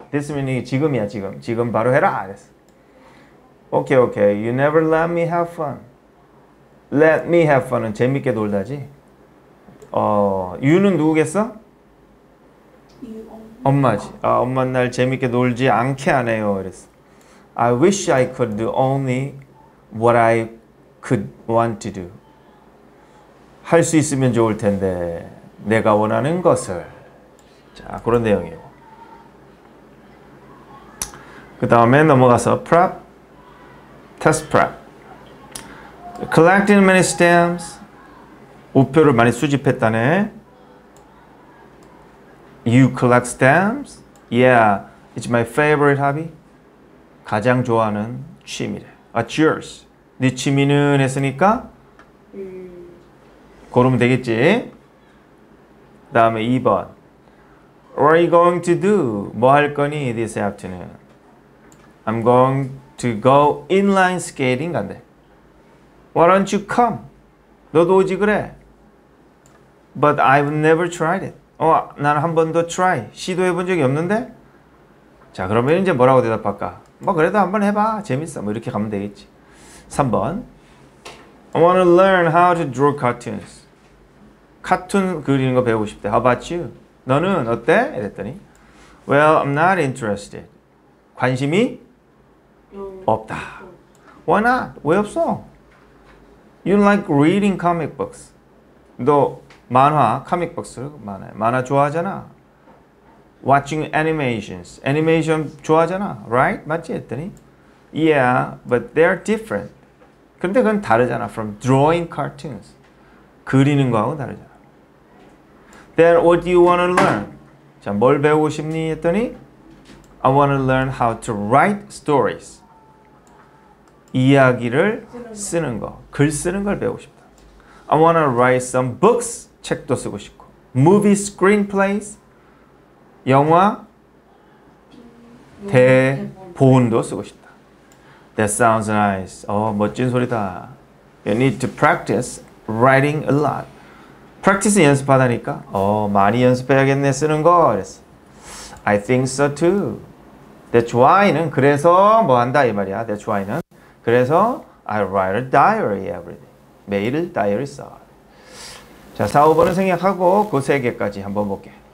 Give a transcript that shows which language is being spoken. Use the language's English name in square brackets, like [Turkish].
[English] This minute [Korean] 이 지금이야, 지금. 지금 바로 해라. 그랬어. [English] Okay, okay. You never let me have fun. Let me have fun은 [Korean] 재밌게 놀다지. 유는 누구겠어? 엄마지. 아, 엄마 날 재밌게 놀지 않게 안 해요. 그랬어. [English] I wish I could do only what I could want to do. [Korean] 할 수 있으면 좋을 텐데 내가 원하는 것을. 자, 그런 내용이에요. 그 다음에 넘어가서 prep, test prep. [English] Collecting many stamps. [Korean] 우표를 많이 수집했다네. [English] You collect stamps? Yeah, it's my favorite hobby. [Korean] 가장 좋아하는 취미래. [English] What's yours? [Korean] 네 취미는 했으니까? 고르면 되겠지? 다음에 2번. [English] What are you going to do? [Korean] 뭐 할 거니 [English] this afternoon? I'm going to go inline skating 간대. Why don't you come? [Korean] 너도 오지 그래? [English] But I've never tried it. [Korean] 난 한 번도 [English] try. [Korean] 시도해 본 적이 없는데? 자, 그러면 이제 뭐라고 대답할까? 뭐 그래도 한번 해봐. 재밌어. 뭐 이렇게 가면 되겠지. 3번. [English] I want to learn how to draw cartoons. [Korean] 카툰 그리는 거 배우고 싶대. [English] How about you? [Korean] 너는 어때? 이랬더니 [English] Well, I'm not interested. [Korean] 관심이? 없다. [English] Why not? [Korean] 왜 없어? [English] You like reading comic books. [Korean] 너 만화, 코믹 북스 많아. 만화 좋아하잖아. [English] Watching animations. [Korean] 애니메이션 좋아하잖아. [English] Right? [Korean] 맞지? 했더니 [English] Yeah, but they're different. [Korean] 근데 그건 다르잖아. [English] From drawing cartoons. [Korean] 그리는 거하고 다르잖아. [English] Then what do you want to learn? [Korean] 자, 뭘 배우고 싶니? [English] 했더니 I want to learn how to write stories. [Korean] 이야기를 쓰는 거. 글 쓰는 걸 배우고 싶다. [English] I want to write some books. [Korean] 책도 쓰고 싶고. [English] Movie screenplays. [Korean] 영화 대본도 쓰고 싶다. [English] That sounds nice. [Korean] 멋진 소리다. [English] You need to practice writing a lot. [Korean] Practice 연습하다니까. 많이 연습해야겠네 쓰는 거. 그랬어. [English] I think so too. [Korean] That's why는 그래서 뭐 한다 이 말이야. [English] That's why는 그래서 I write a diary every day. [Korean] 매일 다이어리 써. 자, 4, 5번은 생략하고 그 세 개까지 한번 볼게.